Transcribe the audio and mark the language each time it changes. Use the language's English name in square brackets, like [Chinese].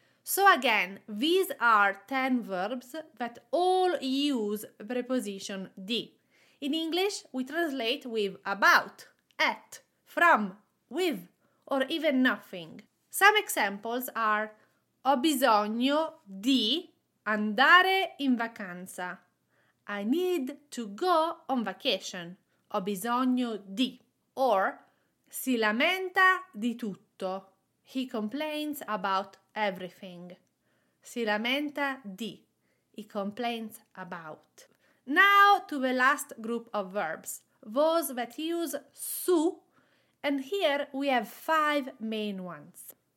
[English] So again, these are 10 verbs that all use preposition di. In English, we translate with about, at, from, with, or even nothing. Some examples are: [Italian] ho bisogno di andare in vacanza. [English] I need to go on vacation. [Italian] Ho bisogno di. [English] Or: [Italian] si lamenta di tutto. [English] He complains about everything. [Italian] Si lamenta di. [English] He complains about. Now to the last group of verbs, those that use su, and here we have five main ones.